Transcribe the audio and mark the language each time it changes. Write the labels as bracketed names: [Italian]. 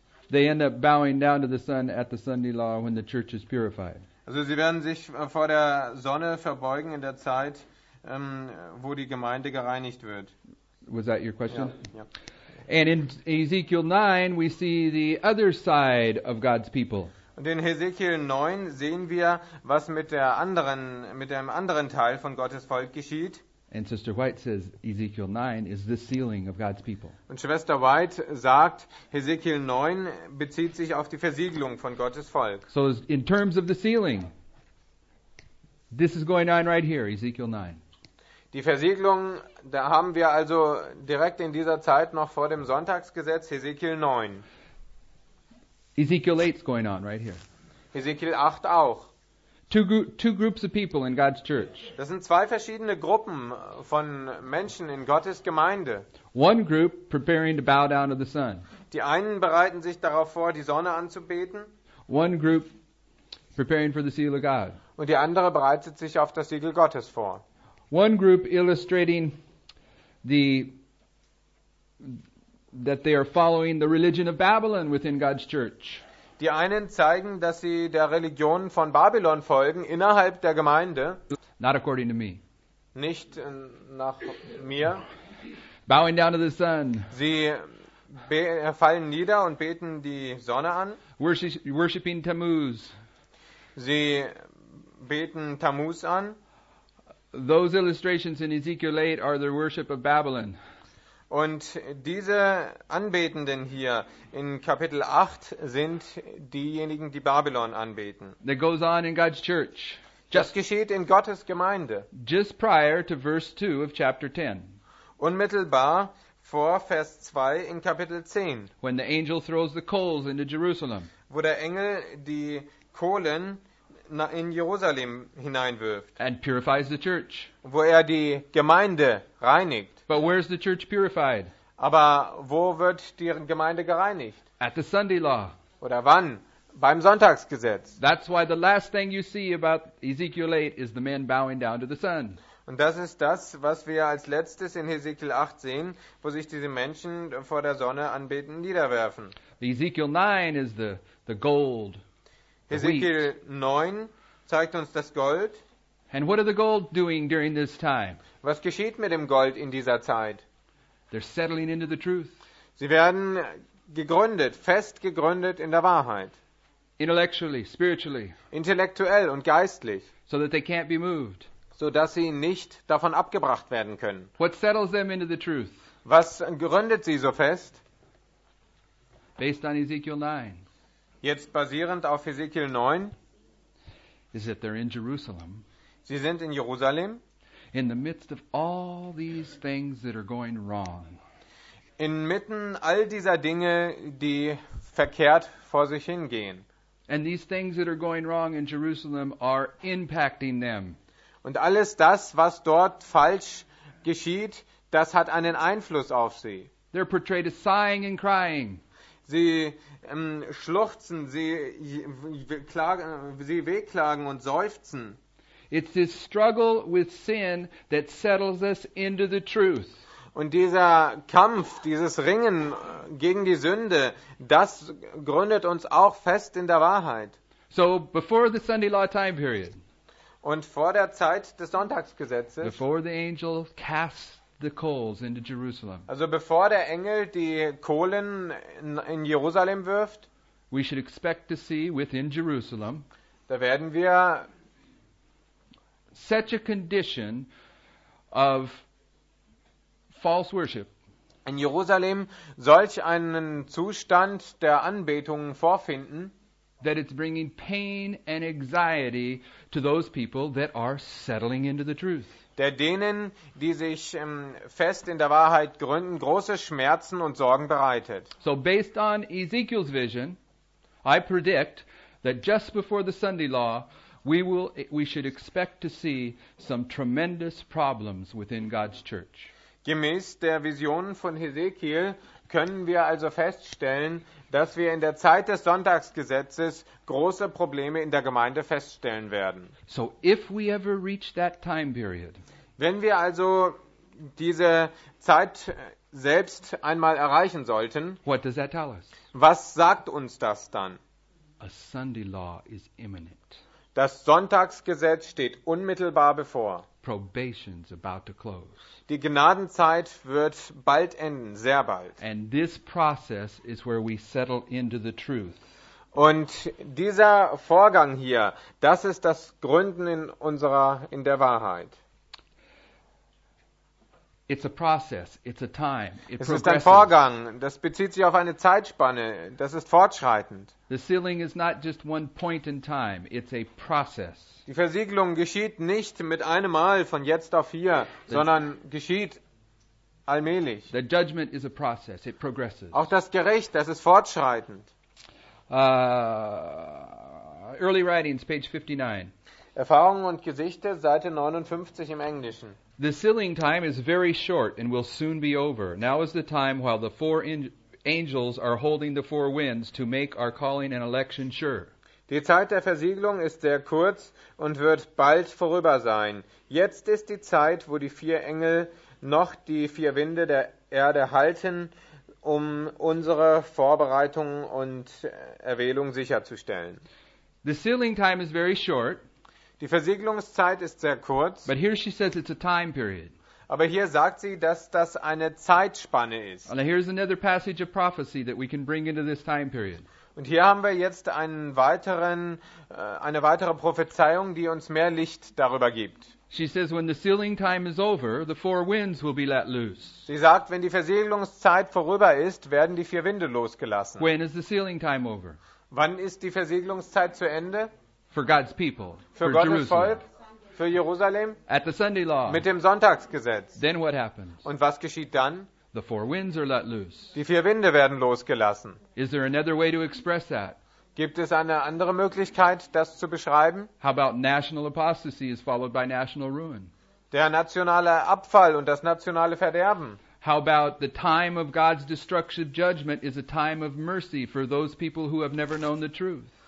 [English] They end up bowing down to the sun at the Sunday law when the church is purified. [German] Also sie werden sich vor der Sonne verbeugen in der Zeit, wo die Gemeinde gereinigt wird. [English] Was that your question? [German] Ja. [English] And in Ezekiel 9 we see the other side of God's people. [German] Und in Hesekiel 9 sehen wir, was mit dem anderen Teil von Gottes Volk geschieht. [English] And Sister White says Ezekiel 9 is the sealing of God's people. [German] Und Schwester White sagt, Hesekiel 9 bezieht sich auf die Versiegelung von Gottes Volk. [English] So in terms of the sealing, this is going on right here, Ezekiel 9. [German] Die Versiegelung, da haben wir also direkt in dieser Zeit noch vor dem Sonntagsgesetz, Hesekiel 9. [English] Ezekiel 8 is going on right here. [German] Hesekiel 8 auch. [English] Two groups of people in God's church. [German] Das sind zwei verschiedene Gruppen von Menschen in Gottes Gemeinde. [English] One group preparing to bow down to the sun. [German] Die einen bereiten sich darauf vor, die Sonne anzubeten. [English] One group preparing for the seal of God. [German] Und die andere bereitet sich auf das Siegel Gottes vor. [English] One group illustrating that they are following the religion of Babylon within God's church. [German] Die einen zeigen, dass sie der Religion von Babylon folgen innerhalb der Gemeinde. [English] Not according to me. [German] Nicht nach mir. [English] Bowing down to the sun. [German] Sie fallen nieder und beten die Sonne an. [English] Worshipping Tammuz. [German] Sie beten Tammuz an. [English] Those illustrations in Ezekiel 8 are their worship of Babylon. [German] Und diese Anbetenden hier in Kapitel 8 sind diejenigen, die Babylon anbeten. [English] That goes on in God's church. [German] Just das geschieht in Gottes Gemeinde. [English] Just prior to verse 2 of chapter 10. [German] Unmittelbar vor Vers 2 in Kapitel 10. [English] When the angel throws the coals into Jerusalem. [German] wo der Engel die Kohlen in Jerusalem hineinwirft. [English] And purifies the church. [German] Wo er die Gemeinde reinigt. [English] But where's the church purified? [German] Aber wo wird die Gemeinde gereinigt? [English] At the Sunday law. [German] Oder wann? Beim Sonntagsgesetz. [English] That's why the last thing you see about Ezekiel 8 is the men bowing down to the sun. [German] Und das ist das, was wir als letztes in Ezekiel 8 sehen, wo sich diese Menschen vor der Sonne anbeten niederwerfen. [English] Ezekiel 9 is the gold. [German] Ezekiel 9 zeigt uns das Gold. [English] And what are the gold doing during this time? [German] Was geschieht mit dem Gold in dieser Zeit? [English] They're settling into the truth. [German] Sie werden gegründet, fest gegründet in der Wahrheit. [English] Intellectually, spiritually. [German] Intellektuell und geistlich. [English] So that they can't be moved. [German] So dass sie nicht davon abgebracht werden können. [English] What settles them into the truth? [German] Was gründet sie so fest? [English] Based on Ezekiel 9. [German] Jetzt basierend auf Ezekiel 9. [English] Is that they're in Jerusalem. [German] Sie sind in Jerusalem. [English] In the midst of all these things that are going wrong. [German] Inmitten all dieser Dinge, die verkehrt vor sich hingehen. [English] And these things that are going wrong in Jerusalem are impacting them. [German] Und alles das, was dort falsch geschieht, das hat einen Einfluss auf sie. [English] They're portrayed as sighing and crying. [German] Sie schluchzen, sie wehklagen und seufzen. [English] It's this struggle with sin that settles us into the truth. [German] Und dieser Kampf, dieses Ringen gegen die Sünde, das gründet uns auch fest in der Wahrheit. [English] So before the Sunday law time period. [German] Und vor der Zeit des Sonntagsgesetzes. [English] Before the angel cast the coals into Jerusalem. [German] Also bevor der Engel die Kohlen in Jerusalem wirft. [English] We should expect to see within Jerusalem. [German] Da werden wir [English] such a condition of false worship. [German] In Jerusalem solch einen Zustand der Anbetung vorfinden, [English] that it's bringing pain and anxiety to those people that are settling into the truth. [German] Der denen, die sich fest in der Wahrheit gründen, große Schmerzen und Sorgen bereitet. [English] So based on Ezekiel's vision, I predict that just before the Sunday law, we should expect to see some tremendous problems within God's church. [German] Gemäß der Vision von Hesekiel können wir also feststellen, dass wir in der Zeit des Sonntagsgesetzes große Probleme in der Gemeinde feststellen werden. [English] So if we ever reach that time period, [German] wenn wir also diese Zeit selbst einmal erreichen sollten, [English] what does that tell us? [German] Was sagt uns das dann? [English] A Sunday law is imminent. [German] Das Sonntagsgesetz steht unmittelbar bevor. [English] Probation's about to close. [German] Die Gnadenzeit wird bald enden, sehr bald. [English] And this process is where we settle into the truth. [German] Und dieser Vorgang hier, das ist das Gründen in der Wahrheit. [English] It's a process, it's a time. [German] Es ist ein Vorgang, das bezieht sich auf eine Zeitspanne, das ist fortschreitend. [English] The sealing is not just one point in time, it's a process. [German] Die Versiegelung geschieht nicht mit einem Mal von jetzt auf hier, sondern geschieht allmählich. [English] The judgment is a process, it progresses. [German] Auch das Gericht, das ist fortschreitend. [English] Early writings, page 59. [German] Erfahrungen und Gesichte, Seite 59 im Englischen. [English] The sealing time is very short and will soon be over. Now is the time while the four angels are holding the four winds to make our calling and election sure. [German] Die Zeit der Versiegelung ist sehr kurz und wird bald vorüber sein. Jetzt ist die Zeit, wo die vier Engel noch die vier Winde der Erde halten, um unsere Vorbereitung und Erwählung sicherzustellen. [English] The sealing time is very short. [German] Die Versiegelungszeit ist sehr kurz. [English] But here she says it's a time period. [German] Aber hier sagt sie, dass das eine Zeitspanne ist. [English] And here's another passage of prophecy that we can bring into this time period. [German] Und hier haben wir jetzt eine weitere Prophezeiung, die uns mehr Licht darüber gibt. [English] She says when the sealing time is over, the four winds will be let loose. [German] Sie sagt, wenn die Versiegelungszeit vorüber ist, werden die vier Winde losgelassen. [English] When is the sealing time over? [German] Wann ist die Versiegelungszeit zu Ende? [English] For God's people, [German] für Gottes Volk, für Jerusalem, [English] at the Sunday law, [German] mit dem Sonntagsgesetz. [English] Then what happens? [German] Und was geschieht dann? [English] The four winds are let loose. [German] Die vier Winde werden losgelassen. [English] Is there another way to express that? [German] Gibt es eine andere Möglichkeit, das zu beschreiben? [English] How about national apostasy is followed by national ruin? [German] Der nationale Abfall und das nationale Verderben. [English] How about the time of God's destructive judgment is a time of mercy for those people who have never known the truth?